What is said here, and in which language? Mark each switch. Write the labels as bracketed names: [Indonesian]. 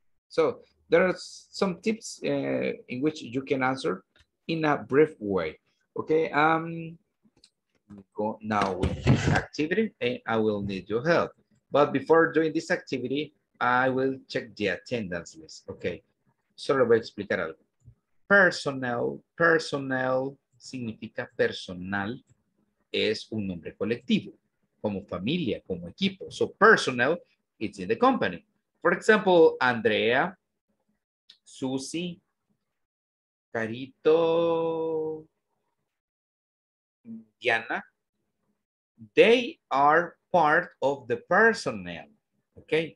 [English] So there are some tips in which you can answer in a brief way. Okay, go now with this activity, and I will need your help. But before doing this activity, I will check the attendance list. [Spanish] Okay, solo voy a explicar algo. Personnel, personnel significa personal, es un nombre colectivo, como familia, como equipo. [English] So personnel, it's in the company. For example, Andrea, Susi, Carito, Diana, they are part of the personnel, okay?